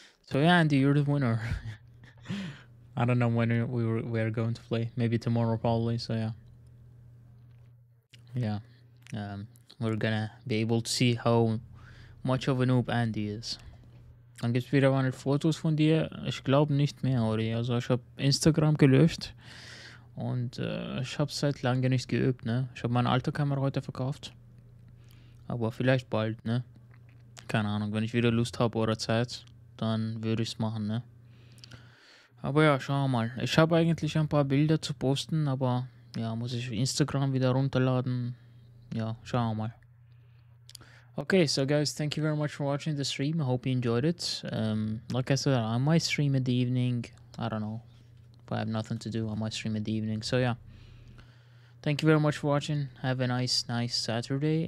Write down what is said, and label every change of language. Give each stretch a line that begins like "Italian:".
English: So yeah, Andy, you're the winner. I don't know when we are going to play. Maybe tomorrow, probably. So yeah. Yeah, we're gonna be able to see how much of a noob Andy is.
German: Dann gibt's wieder mal Fotos von dir. Ich glaube nicht mehr, Ori. Also ich habe Instagram gelöscht und ich habe seit langem nicht geübt, ne? Ich habe meine alte Kamera heute verkauft. Aber vielleicht bald, ne? Keine Ahnung, wenn ich wieder Lust habe oder Zeit, dann würde ich's machen, ne? Aber ja, schauen wir mal. Ich habe eigentlich ein paar Bilder zu posten, aber... Ja, muss ich Instagram wieder runterladen. Ja, schauen wir mal.
English: Okay, so guys, thank you very much for watching the stream. I hope you enjoyed it. Like I said, I might stream in the evening. I don't know. If I have nothing to do, I might stream in the evening. So yeah. Thank you very much for watching. Have a nice Saturday.